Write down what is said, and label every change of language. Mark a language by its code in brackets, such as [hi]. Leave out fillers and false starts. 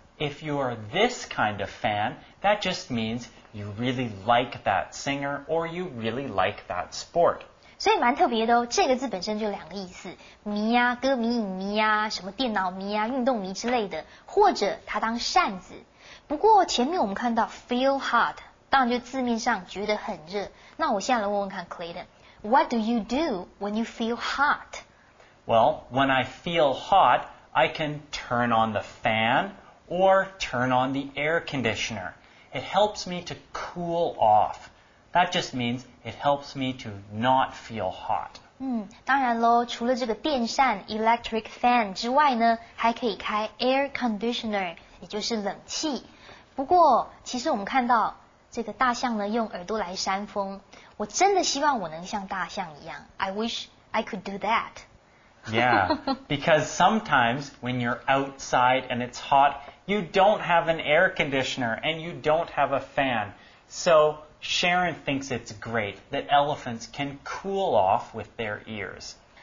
[en] If you are this kind of fan, that just means you really like that singer or you really like that sport. [zh] 所以蛮特别的哦，这个字本身就两个意思，迷啊，歌迷、影迷啊，什么电脑迷啊、运动迷之类的，或者它当扇子。不过前面我们看到 [en] feel hot， [zh] 当然就字面上觉得很热。那我现在来问问看 Clayton， [en] What do you do when you feel hot? Well, when I feel hot, I can turn on the fan or turn on the air conditioner. It helps me to cool off. That just means it helps me to not feel hot. [zh] 当然咯，除了这个电扇 electric fan 之外呢，还可以开 air conditioner， 也就是冷气。不过其实我们看到这个大象呢用耳朵来扇风，我真的希望我能像大象一样。 [en] I wish I could do that. Yeah, because sometimes when you're outside and it's hot, you don't have an air conditioner and you don't have a fan. So Sharon thinks it's great that elephants can cool off with their ears.